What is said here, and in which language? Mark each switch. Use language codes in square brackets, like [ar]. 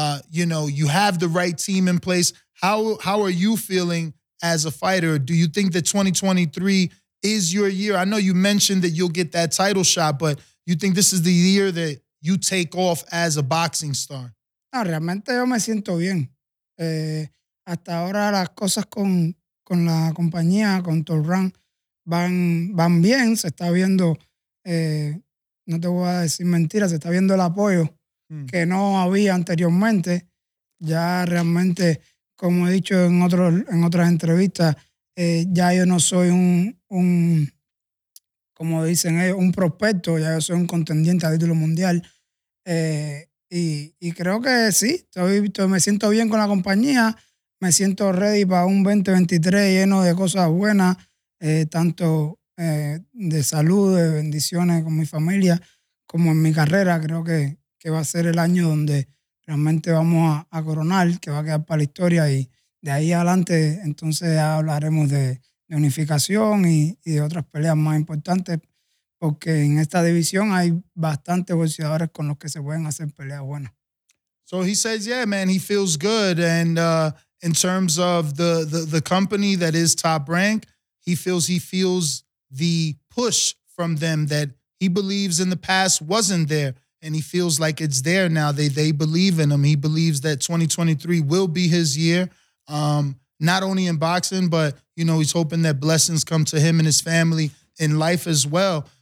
[en] You know, you have the right team in place. How are you feeling as a fighter? Do you think that 2023 is your year? I know you mentioned that you'll get that title shot, but you think this is the year that you take off as a boxing star? [es] No, realmente yo me siento bien. Hasta ahora las cosas con la compañía, con Torran, van bien. Se está viendo, no te voy a decir mentiras, se está viendo el apoyo que no había anteriormente. Ya realmente, como he dicho en otras entrevistas, ya yo no soy un, como dicen ellos, un prospecto, ya yo soy un contendiente a título mundial. Y creo que sí, me siento bien con la compañía, me siento ready para un 2023 lleno de cosas buenas, tanto de salud, de bendiciones con mi familia, como en mi carrera. Creo que va a ser el año donde realmente vamos a coronar, que va a quedar para la historia, y de ahí adelante entonces ya hablaremos de unificación y de otras peleas más importantes, porque en esta división hay bastantes boxeadores con los que se pueden hacer peleas buenas. [en] So he says, yeah, man, he feels good. And in terms of the company that is Top Rank, he feels the push from them that he believes in the past wasn't there. And he feels like it's there now. They believe in him. He believes that 2023 will be his year, not only in boxing, but, you know, he's hoping that blessings come to him and his family in life as well.